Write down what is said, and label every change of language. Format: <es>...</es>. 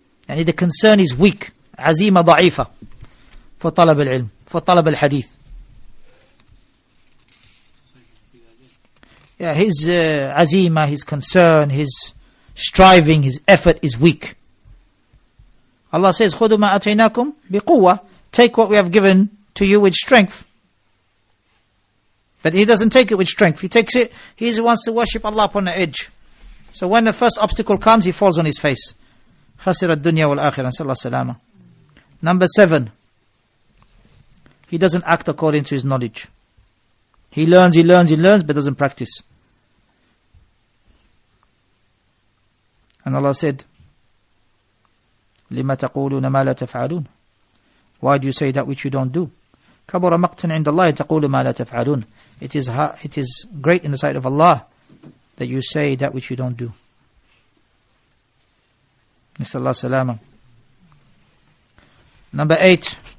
<en>And the concern is weak. Azima da'ifa. For talab al-ilm, for talab al-hadith. Yeah, his azima, his concern, his striving, his effort is weak.</en> <ar>Allah says, خُدُ مَا أَتَيْنَاكُمْ بِقُوَّةِ.</ar> <en>Take what we have given to you with strength. But he doesn't take it with strength. He takes it, he wants to worship Allah upon the edge. So when the first obstacle comes, he falls on his face.</en> <ar>خَسِرَ الدُّنْيَا وَالْآخِرَةِ صَلَّى اللَّهُ عَلَيْهِ وَسَلَّمَ.</ar> <en>Number seven, he doesn't act according to his knowledge. He learns, but doesn't practice.</en> <ar>And Allah said, لِمَا تَقُولُونَ مَا لَا تَفْعَلُونَ.</ar> <en>Why do you say that which you don't do?</en> <ar>كَبُرَ مَقْتًا عِنْدَ اللَّهِ تَقُولُ مَا لَا تَفْعَلُونَ.</ar> <en>It is great in the sight of Allah that you say that which you don't do.</en> <ar>نسأل الله سلامة.</ar> <en>Number eight.</en>